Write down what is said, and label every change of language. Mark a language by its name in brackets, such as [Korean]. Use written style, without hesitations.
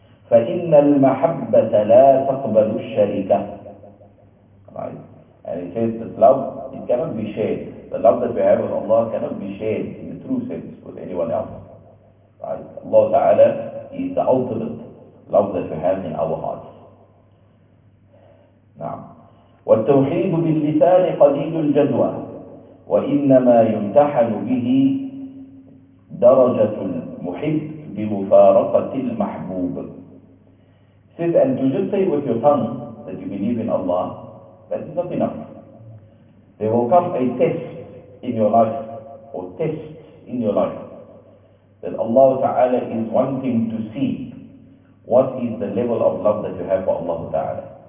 [Arabic] فَإِنَّ الْمَحَبَّةَ لَا تَقْبَلُ الشَّرِكَةَ. [English] Right? And it says that love, it cannot be shared. The love that we have with Allah cannot be shared in the true sense with anyone else. Right? Allah ta'ala is the ultimate love that we have in our hearts. [Arabic] نعم. والتوحيد باللسان قليل الجدوى وإنما يمتحن به درجة المحب بمفارقة المحبوب. [English] Said, and to just say with your tongue that you believe in Allah, that is not enough. There will come a test in your life, or tests in your life, that Allah Ta'ala is wanting to see what is the level of love that you have for Allah Ta'ala?